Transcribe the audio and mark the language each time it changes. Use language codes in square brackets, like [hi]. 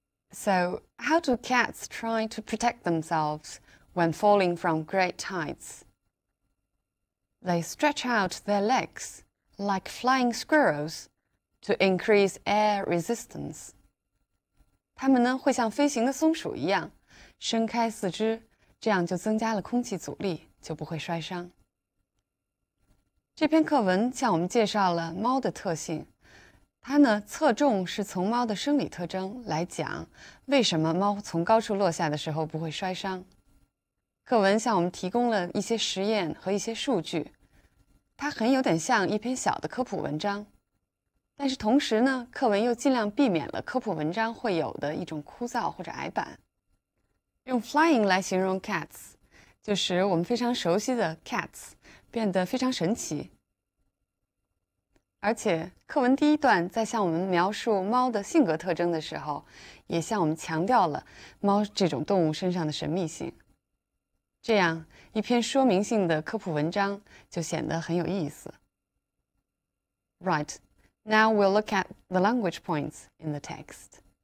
[en] So, how do cats try to protect themselves when falling from great heights? They stretch out their legs like flying squirrels to increase air resistance. [zh] 它们呢，会像飞行的松鼠一样，伸开四肢。这样就增加了空气阻力，就不会摔伤。这篇课文向我们介绍了猫的特性，它呢侧重是从猫的生理特征来讲，为什么猫从高处落下的时候不会摔伤。课文向我们提供了一些实验和一些数据，它很有点像一篇小的科普文章，但是同时呢，课文又尽量避免了科普文章会有的一种枯燥或者矮板。用 flying 来形容 cats, 就使我们非常熟悉的 cats 变得非常神奇。而且课文第一段在向我们描述猫的性格特征的时候，也向我们强调了猫这种动物身上的神秘性。这样一篇说明性的科普文章就显得很有意思。 [en] Right, now we'll look at the language points in the text.